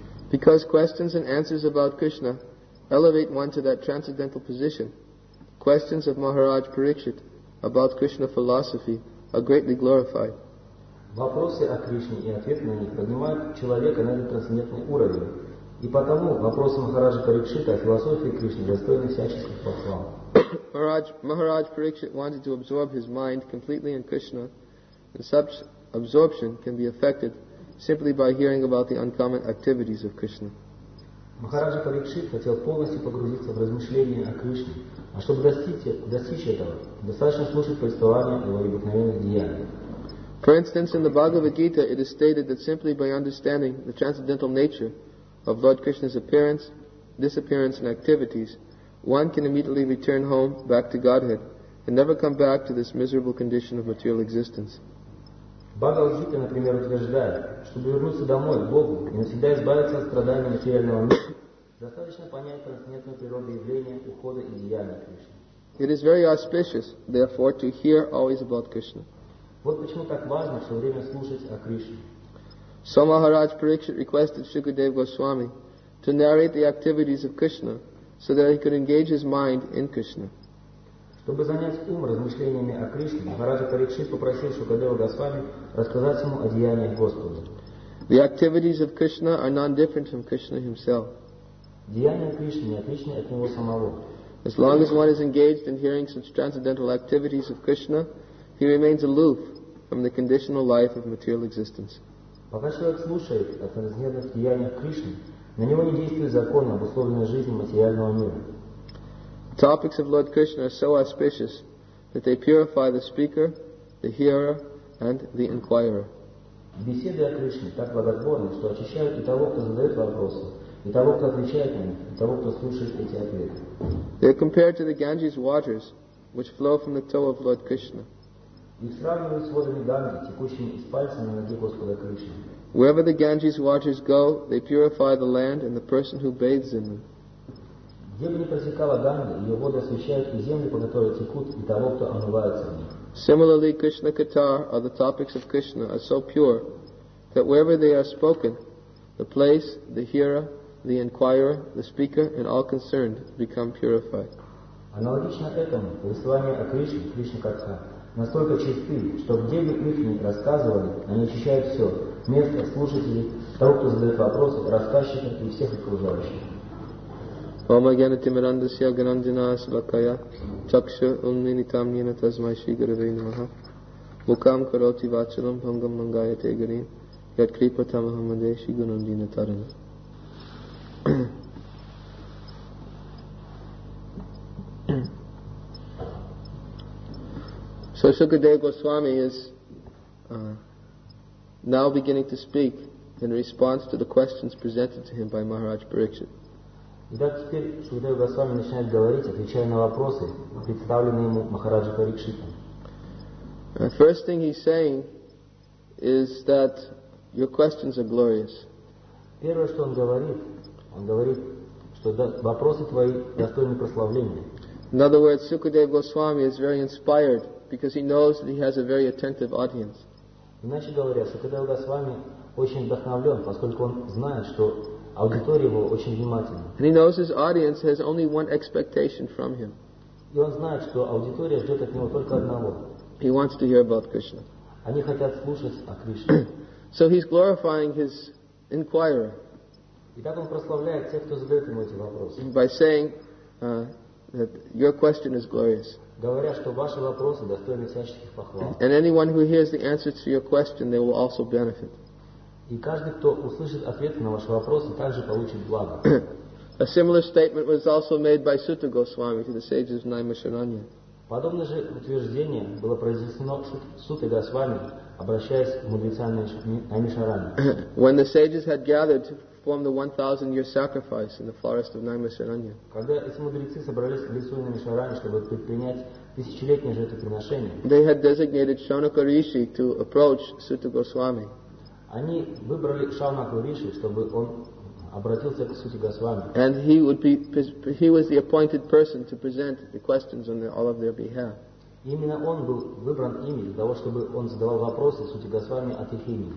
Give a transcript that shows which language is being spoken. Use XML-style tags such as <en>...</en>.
<en>Because questions and answers about Krishna elevate one to that transcendental position, questions of Maharaj Parikshit about Krishna philosophy are greatly glorified.</en> <ru>Вопросы о Кришне и ответ на них поднимают человека на этот трансцендентный уровень. И потому вопросы Махараджа Парикшита о философии Кришны достойны всяческих похвал.</ru> <en>Maharaj Parikshit wanted to absorb his mind completely in Krishna, and such absorption can be affected simply by hearing about the uncommon activities of Krishna.</en> <ru>Махараджа Парикшит хотел полностью погрузиться в размышления о Кришне, а чтобы достичь этого, достаточно слушать повествование о его обыкновенных деяниях.</ru> <en>For instance, in the Bhagavad Gita, it is stated that simply by understanding the transcendental nature of Lord Krishna's appearance, disappearance, and activities, one can immediately return home back to Godhead and never come back to this miserable condition of material existence.</en> <ru>Bhagavad Gita, например, утверждает, чтобы вернуться домой к Богу и навсегда избавиться от страданий материального мира, достаточно понять трансцендентную природу явления, ухода и деяния Кришны.</ru> <en>It is very auspicious, therefore, to hear always about Krishna.</en> <ru>Вот почему так важно все время слушать о Кришне.</ru> <en>So Maharaj Parikshit requested Shukadeva Goswami to narrate the activities of Krishna so that he could engage his mind in Krishna.</en> <ru>Чтобы занять ум размышлениями о Кришне, Махараджа Парикшит попросил Шукадева Госвами рассказать ему о деяниях Господа.</ru> <en>The activities of Krishna are non-different from Krishna himself.</en> <ru>Деяния Кришны не отличны от него самого.</ru> <en>As long as one is engaged in hearing such transcendental activities of Krishna, he remains aloof from the conditional life of material existence.</en> <ru>Пока человек слушает о трансцендентных деяниях Кришны, на него не действуют законы, обусловленные жизнью материального мира.</ru> <en>The topics of Lord Krishna are so auspicious that they purify the speaker, the hearer, and the inquirer.</en> <ru>Беседы о Кришне так благотворны, что очищают и того, кто задает вопросы, и того, кто отвечает на них, и того, кто слушает эти ответы.</ru> <en>They are compared to the Ganges waters, which flow from the toe of Lord Krishna.</en> <ru>Их сравнивают с водами Ганги, текущими из пальца на ноге Господа Кришны.</ru> <en>Wherever the Ganges waters go, they purify the land and the person who bathes in them.</en> <ru>Где бы ни протекала Ганга, ее воды освещают и землю, по которой текут, и того, кто омывается в ней.</ru> <en>Similarly, Krishna Katar or the topics of Krishna are so pure that wherever they are spoken, the place, the hearer, the inquirer, the speaker, and all concerned become purified.</en> <ru>Аналогично этому повествование о Кришне, Кришне как царь, настолько чисты, что где бы их ни рассказывали, они очищают все: место, слушателей, того, кто задает вопросы, рассказчика и всех окружающих.</ru> <sa>Ома Гьянатимирандасья Гананджина Свакая Чакша Унминитам Нина Тазмай Шри Гуруве Намаха Мукам Кароти Вачалам Пангам Мангая Тегари Яд Крипа Тамахамаде Шри Гунандина Тарана.</sa> <en>So Sukadeva Goswami is now beginning to speak in response to the questions presented to him by Maharaj Parikshit.</en> <ru>Итак, теперь Шукадева Госвами начинает говорить, отвечая на вопросы, представленные ему Махараджа Парикшита.</ru> <en>First thing he's saying is that your questions are glorious.</en> <ru>Первое, что он говорит, что вопросы твои достойны прославления.</ru> <en>In other words, Шукадева Госвами is very inspired because he knows that he has a very attentive audience.</en> <ru>Иначе говоря, Шукадева Госвами очень вдохновлен, поскольку он знает, что аудитория его очень внимательна.</ru> <en>And he knows his audience has only one expectation from him.</en> <ru>И он знает, что аудитория ждет от него только одного.</ru> <en>He wants to hear about Krishna.</en> <ru>Они хотят слушать о Кришне.</ru> <en>So he's glorifying his inquirer.</en> <ru>И так он прославляет тех, кто задает ему эти вопросы.</ru> <en>By saying that your question is glorious.</en> <ru>Говоря, что ваши вопросы достойны всяческих похвал.</ru> <en>And anyone who hears the answer to your question, they will also benefit.</en> <ru>И каждый, кто услышит ответ на ваши вопросы, также получит благо.</ru> <en>A similar statement was also made by Sutta Goswami to the sages of Naimasharanya.</en> <ru>Подобное же утверждение было произнесено Сутой Госвами, обращаясь к мудрецам Наймишараньи.</ru> <en>When the sages had gathered to perform the 1,000-year sacrifice in the forest of Naimasharanya.</en> <ru>Когда эти мудрецы собрались в лесу Наймишараньи, чтобы предпринять тысячелетнее жертвоприношение.</ru> <en>They had designated Shaunaka Rishi to approach Sutta Goswami.</en> <ru>Они выбрали Шаунаку Риши, чтобы он обратился к Сути Госвами.</ru> <en>And he would be, he was the appointed person to present the questions on all of their behalf.</en> <ru>Именно он был выбран ими для того, чтобы он задавал вопросы Сути Госвами от их имени.</ru>